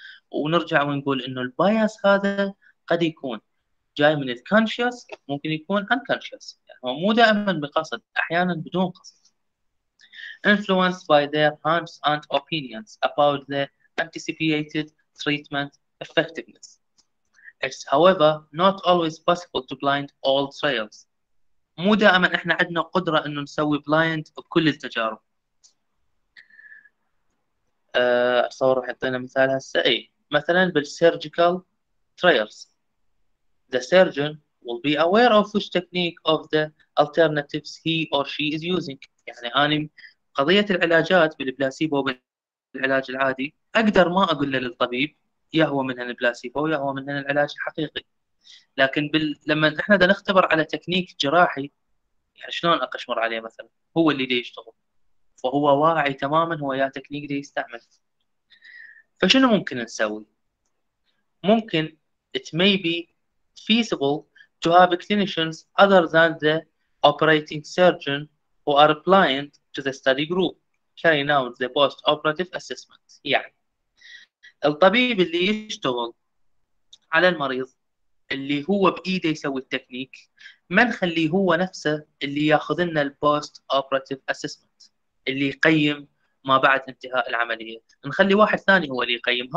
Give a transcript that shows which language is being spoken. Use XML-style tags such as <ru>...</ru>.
<ar>ونرجع ونقول انه البايس هذا قد يكون جاي من الكونشس، ممكن يكون انكونشس، يعني هو مو دائما بقصد، احيانا بدون قصد.</ar> <en>influenced by their hunches and opinions about the anticipated treatment effectiveness. It's however not always possible to blind all trials.</en> <ar>مو دائما احنا عندنا قدرة انه نسوي blind بكل التجارب. اتصور راح يعطينا مثال هسه، اي مثلا بالسيرجيكال trials.</ar> <en>The surgeon will be aware of which technique of the alternatives he or she is using.</en> <ar>يعني انا قضية العلاجات بالبلاسيبو بالعلاج العادي، اقدر ما اقول للطبيب يا هو منها البلاسيبو يا هو منها العلاج الحقيقي، لكن لما احنا بدنا نختبر على تكنيك جراحي، يعني شلون اقشمر عليه مثلا، هو اللي دي يشتغل، فهو واعي تماما هو يا تكنيك دي يستعمل. فشنو ممكن نسوي؟ ممكن</ar> <en>it may be feasible to have clinicians other than the operating surgeon who are blind to the study group carrying out the post operative assessment.</en> <ar>يعني الطبيب اللي يشتغل على المريض اللي هو بإيده يسوي التكنيك، ما نخليه هو نفسه اللي ياخذ لنا البوست اوبراتيف اسسمنت اللي يقيم ما بعد انتهاء العملية، نخلي واحد ثاني هو اللي يقيم.</ar>